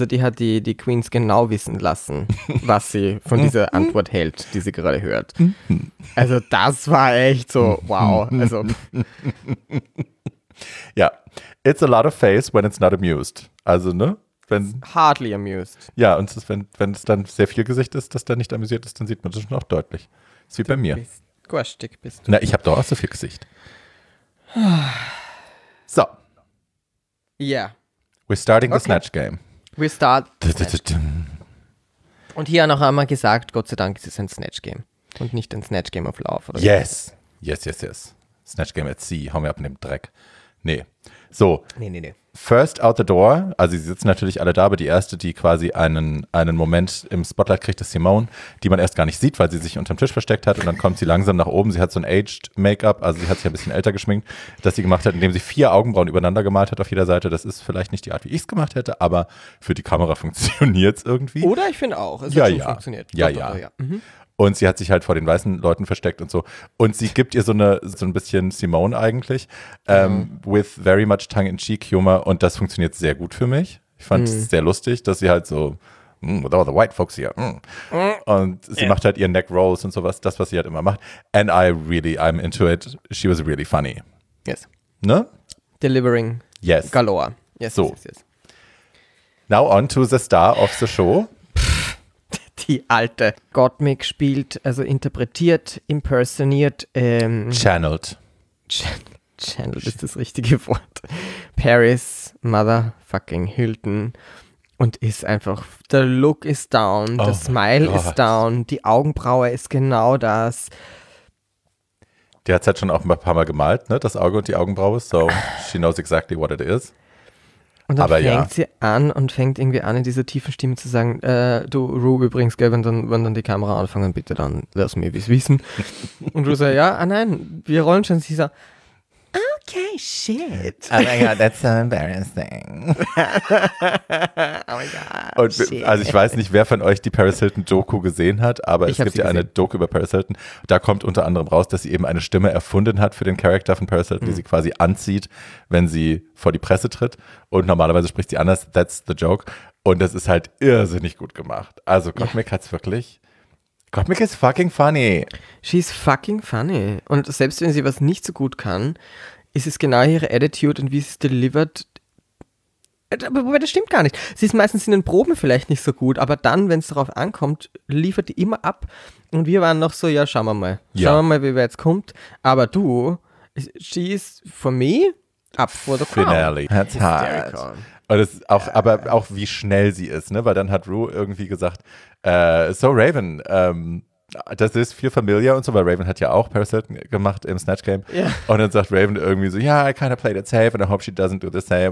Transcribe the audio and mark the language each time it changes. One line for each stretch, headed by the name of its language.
German: die Queens genau wissen lassen, was sie von dieser Antwort hält, die sie gerade hört. Also das war echt so, wow. Also. Ja,
English: it's a lot of face when it's not amused.
German: Also, ne? Wenn,
English: hardly amused.
German: Ja, und es ist, wenn es dann sehr viel Gesicht ist, das dann nicht amüsiert ist, dann sieht man das schon auch deutlich. Das ist wie du bei mir. Quastig bist du. Na, ich habe doch auch so viel Gesicht. So.
English: Yeah. We're starting the Snatch Game. We start.
German: Und hier noch einmal gesagt, Gott sei Dank, es ist ein Snatch Game. Und nicht ein Snatch Game of Love. Oder
English: yes. Yes, yes, yes.
German: Snatch Game at Sea. Hau mir ab in dem Dreck. Nee. So. Nee. First out the door, also sie sitzen natürlich alle da, aber die erste, die quasi einen Moment im Spotlight kriegt, ist Simone, die man erst gar nicht sieht, weil sie sich unterm Tisch versteckt hat und dann kommt sie langsam nach oben. Sie hat so ein aged Make-up, also sie hat sich ein bisschen älter geschminkt, das sie gemacht hat, indem sie vier Augenbrauen übereinander gemalt hat auf jeder Seite. Das ist vielleicht nicht die Art, wie ich es gemacht hätte, aber für die Kamera funktioniert es irgendwie. Oder ich finde auch, es hat schon funktioniert. Ja. Und sie hat sich halt vor den weißen Leuten versteckt und so. Und sie gibt ihr so ein bisschen Simone eigentlich.
English: With very much tongue-in-cheek Humor.
German: Und das funktioniert sehr gut für mich. Ich fand es sehr lustig, dass sie halt so,
English: with all the white folks here.
German: Und sie macht halt ihren Neck Rolls und sowas. Das, was sie halt immer macht.
English: And I'm into it. She was really funny. Yes.
German: Ne?
English: Delivering. Yes. Galore. Yes, so. Yes. Now on to the star of the show.
German: Die alte Gottmik spielt, also interpretiert, impersoniert.
English: Channeled.
German: Channeled ist das richtige Wort. Paris motherfucking Hilton. Und ist einfach,
English: the look is down,
German: the smile is down, die Augenbraue ist genau das. Die hat es halt schon auch ein paar Mal gemalt, ne? Das Auge und die Augenbraue,
English: so she knows exactly what it is.
German: Und dann aber fängt ja. sie an und fängt irgendwie an, in dieser tiefen Stimme zu sagen, du, Ru, übrigens, gell, wenn dann die Kamera anfangen, bitte dann lass mir es wissen. Und Ru sagt, ja, nein, wir rollen schon. Sie sagt,
English: okay, shit. Oh my God, that's so embarrassing. Oh my God,
German: und, shit. Also ich weiß nicht, wer von euch die Paris Hilton-Doku gesehen hat, aber ich es gibt ja eine Doku über Paris Hilton. Da kommt unter anderem raus, dass sie eben eine Stimme erfunden hat für den Charakter von Paris Hilton, die sie quasi anzieht, wenn sie vor die Presse tritt. Und normalerweise spricht sie anders,
English: that's the joke.
German: Und das ist halt irrsinnig gut gemacht. Also Gottmik hat es wirklich... Gottmik ist fucking funny.
English: She's fucking funny.
German: Und selbst wenn sie was nicht so gut kann, ist es genau ihre Attitude und wie sie es delivered. Wobei, das stimmt gar nicht. Sie ist meistens in den Proben vielleicht nicht so gut, aber dann, wenn es darauf ankommt, liefert die immer ab. Und wir waren noch so, ja, schauen wir mal. Schauen wir mal, wie weit es kommt. Aber du,
English: she is for me up for the crown. Finale. That's hard.
German: Und das auch, aber auch wie schnell sie ist, ne? Weil dann hat Rue irgendwie gesagt, so Raven, das ist viel familiar und so, weil Raven hat ja auch Parasite gemacht im Snatch Game.
English: Yeah.
German: Und dann sagt Raven irgendwie so,
English: yeah, I kind of played it safe and I hope she doesn't do the same.